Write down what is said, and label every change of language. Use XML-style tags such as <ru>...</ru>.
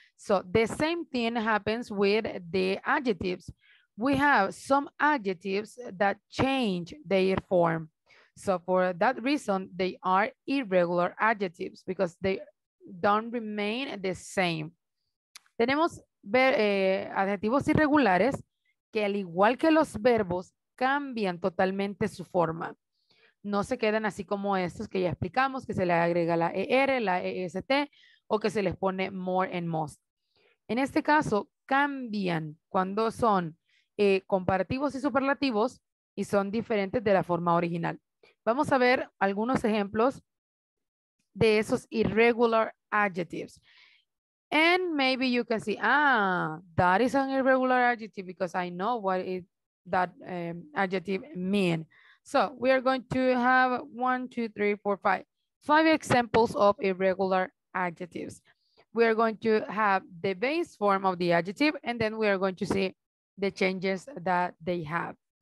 <en>So the same thing happens with the adjectives. We have some adjectives that change their form. So for that reason, they are irregular adjectives because they don't remain the same.</en> <es>Tenemos adjetivos irregulares que al igual que los verbos cambian totalmente su forma. No se quedan así como estos que ya explicamos, que se le agrega la ER, la EST o que se les pone</es> <en>more and most.</en> <es>En este caso, cambian cuando son comparativos y superlativos y son diferentes de la forma original. Vamos a ver algunos ejemplos de esos</es> <en>irregular adjectives. And maybe you can see, that is an irregular adjective because I know what it, that adjective mean. So we are going to have 1, 2, 3, 4, 5. 5 examples of irregular adjectives. We are going to have the base form of the adjective, and then we are going to see the changes that they have.</en>